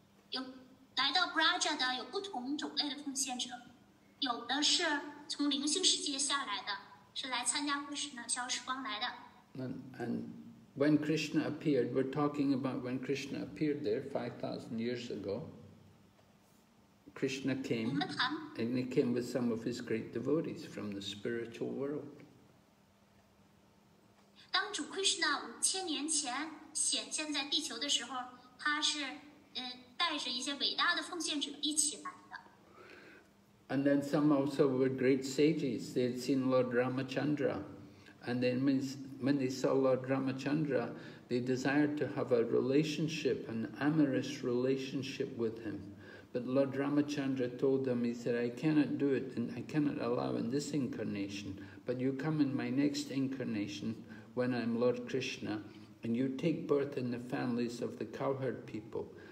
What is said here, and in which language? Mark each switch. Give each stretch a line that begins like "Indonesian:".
Chinese: 有来到 Braja 的有不同种类的奉献者，有的是从灵性世界下来的，是来参加 Krishna 消时光来的。
English: And when Krishna appeared, we're talking about when Krishna appeared there 5,000 years ago. Krishna came, and he came with some of his great devotees from the spiritual world.
Chinese: 当主 Krishna 五千年前显现在地球的时候，他是带着一些伟大的奉献者一起来的。
English: And then some also were great sages. They had seen Lord Ramachandra, and then when they saw Lord Ramachandra, they desired to have a relationship, an amorous relationship with him. But Lord Ramachandra told them, he said, I cannot do it and I cannot allow in this incarnation, but you come in my next incarnation when I'm Lord Krishna and you take birth in the families of the cowherd people.